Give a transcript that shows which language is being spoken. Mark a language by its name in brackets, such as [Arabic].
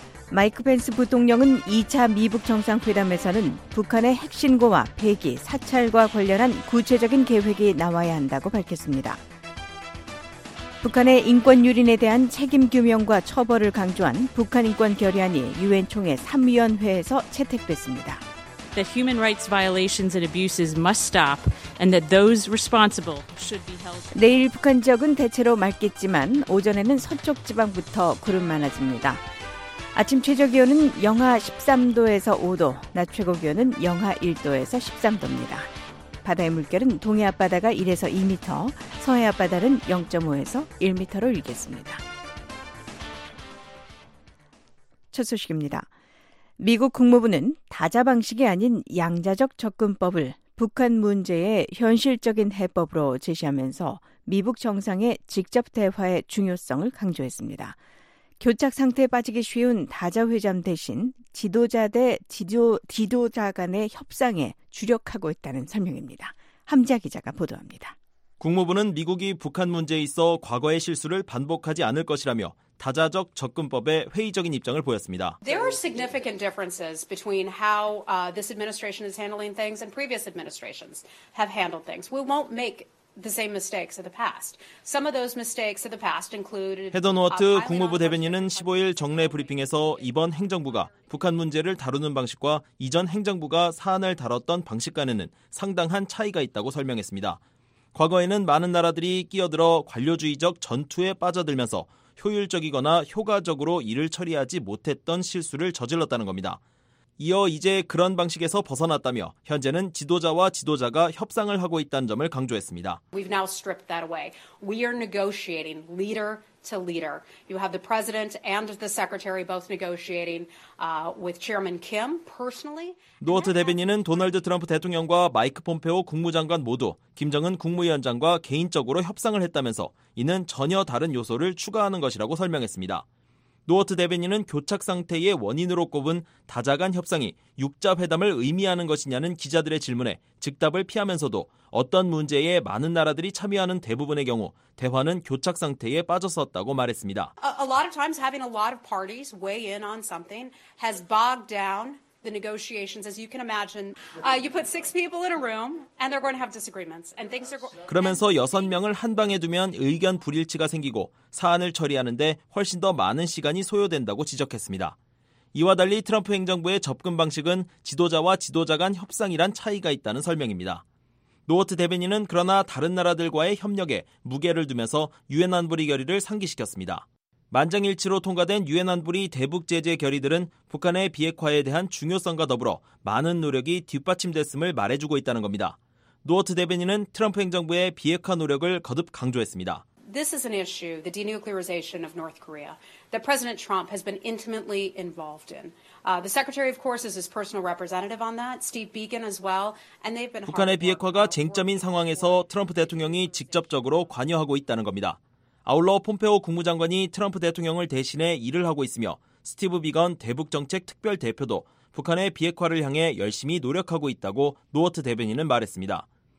[Korean] 마이크 펜스 부통령은 2차 미북 정상회담에서는 북한의 핵신고와 폐기, 사찰과 관련한 구체적인 계획이 나와야 한다고 밝혔습니다. 북한의 인권 유린에 대한 책임 규명과 처벌을 강조한 북한 인권 결의안이 유엔 총회 3위원회에서 채택됐습니다. [English] The human rights violations and abuses must stop and that those responsible should be held. [Korean] 내일 북한 지역은 대체로 맑겠지만 오전에는 서쪽 지방부터 구름 많아집니다. 아침 최저 기온은 영하 13도에서 5도, 낮 최고 기온은 영하 1도에서 13도입니다. 바다의 물결은 동해 앞바다가 1에서 2m, 서해 앞바다는 0.5에서 1m로 일겠습니다. 첫 소식입니다. 미국 국무부는 다자 방식이 아닌 양자적 접근법을 북한 문제의 현실적인 해법으로 제시하면서 미북 정상의 직접 대화의 중요성을 강조했습니다. 교착 상태에 빠지기 쉬운 다자 회담 대신 지도자 대 지도자 간의 협상에 주력하고 있다는 설명입니다. 함지아 기자가 보도합니다. 국무부는 미국이 북한 문제에 있어 과거의 실수를 반복하지 않을 것이라며 다자적 접근법에 회의적인 입장을 보였습니다. [English] There are significant differences between how this administration is handling things and previous administrations have handled things. We won't make the same mistakes of the past. Some of those mistakes of the past include [Korean] 헤더 노어트 국무부 대변인은 15일 정례 브리핑에서 이번 행정부가 북한 문제를 다루는 방식과 이전 행정부가 사안을 다뤘던 방식 간에는 상당한 차이가 있다고 설명했습니다. 과거에는 많은 나라들이 끼어들어 관료주의적 전투에 빠져들면서 효율적이거나 효과적으로 일을 처리하지 못했던 실수를 저질렀다는 겁니다. 이어 이제 그런 방식에서 벗어났다며 현재는 지도자와 지도자가 협상을 하고 있다는 점을 강조했습니다. [English] We've now stripped that away. We are negotiating leader to leader. You have the president and the secretary both negotiating with Chairman Kim personally. [Korean] 노어트 대변인은 도널드 트럼프 대통령과 마이크 폼페오 국무장관 모두 김정은 국무위원장과 개인적으로 협상을 했다면서 이는 전혀 다른 요소를 추가하는 것이라고 설명했습니다. 노어트 대변인은 교착 상태의 원인으로 꼽은 다자 간 협상이 육자회담을 의미하는 것이냐는 기자들의 질문에 즉답을 피하면서도 어떤 문제에 많은 나라들이 참여하는 대부분의 경우 대화는 교착 상태에 빠졌었다고 말했습니다. [English] A lot of times having a lot of parties weigh in on something has bogged down the negotiations as you can imagine. You put six people in a room and they're going to have disagreements and things are [Korean] 그러면서 여섯 명을 한 방에 두면 의견 불일치가 생기고 사안을 처리하는데 훨씬 더 많은 시간이 소요된다고 지적했습니다. 이와 달리 트럼프 행정부의 접근 방식은 지도자와 지도자 간 협상이란 차이가 있다는 설명입니다. 노어트 대변인은 그러나 다른 나라들과의 협력에 무게를 두면서 유엔 안보리 결의를 상기시켰습니다. 만장일치로 통과된 유엔 안보리 대북 제재 결의들은 북한의 비핵화에 대한 중요성과 더불어 많은 노력이 뒷받침됐음을 말해주고 있다는 겁니다. 노어트 대변인은 트럼프 행정부의 비핵화 노력을 거듭 강조했습니다. [English] This is an issue, the denuclearization of North Korea, that President Trump has been intimately involved in. The Secretary of course is his personal representative on that, Steve Biegun as well, and they've been [Korean] 북한의 비핵화가 쟁점인 상황에서 트럼프 대통령이 직접적으로 관여하고 있다는 겁니다. 아울러 폼페오 국무장관이 트럼프 대통령을 대신해 일을 하고 있으며 스티브 비건 대북정책특별대표도 북한의 비핵화를 향해 열심히 노력하고 있다고 노어트 대변인은 말했습니다.